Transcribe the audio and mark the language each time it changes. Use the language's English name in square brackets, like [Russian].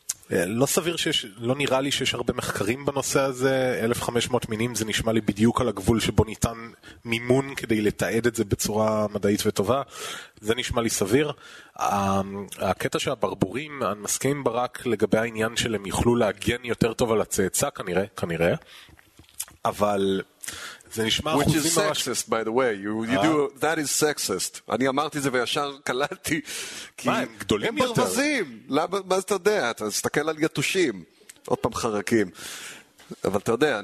[Hebrew] לא סביר שיש, לא נראה לי שיש הרבה מחקרים בנושא הזה, 1500 מינים זה נשמע לי בדיוק על הגבול שבו ניתן מימון כדי לתעד את זה בצורה מדעית וטובה, זה נשמע לי סביר. הקטע שהברבורים, אני מסכים ברק לגבי העניין שלהם יוכלו להגן יותר טוב על הצאצא, כנראה, כנראה, אבל זה נשמע [English] which is sexist [Hebrew] ממש [English] by the way you do that is sexist. [Hebrew] אני אמרתי זה וישר קלטתי, כי מה, הם גדולים יותר, הם ברווזים, למה אתה יודע, אתה מסתכל על יתושים עוד פעם חרקים, אבל אתה יודע